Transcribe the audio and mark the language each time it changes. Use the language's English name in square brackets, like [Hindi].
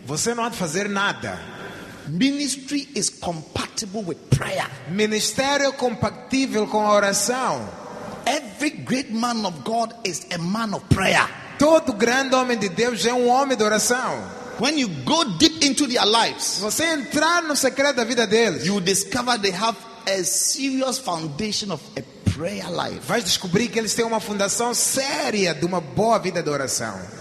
[Portuguese] Você não pode fazer nada. [English] Ministry is compatible with prayer. [Portuguese] Ministério compatível com oração. [English] Every great man of God is a man of prayer. [Portuguese] Todo grande homem de Deus é homem de oração. [English] When you go deep into their lives, [Portuguese] você entrar no segredo da vida deles, [English] you discover they have a serious foundation of a prayer life. [Portuguese] Vai descobrir que eles têm uma fundação séria de uma boa vida de oração.